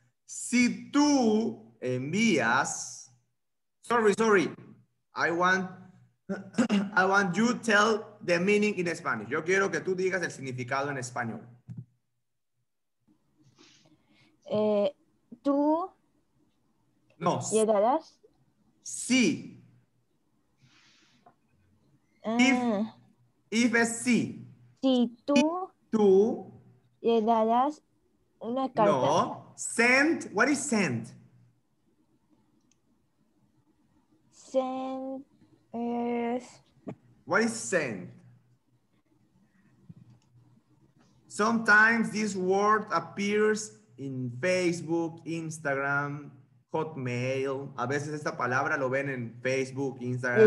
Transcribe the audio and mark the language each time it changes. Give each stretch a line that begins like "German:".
Spanish: Si tú envías,
English: sorry, I want you tell the meaning in Spanish.
Spanish: Yo quiero que tú digas el significado en español. Tú no. Llegarás. Sí.
English: If
Spanish: es sí. Si tú. Tú llegarás una carta.
English: No. Send, what is send? Send is... What is send? Sometimes this word appears in Facebook, Instagram, Hotmail.
Spanish: A veces esta palabra lo ven en Facebook, Instagram.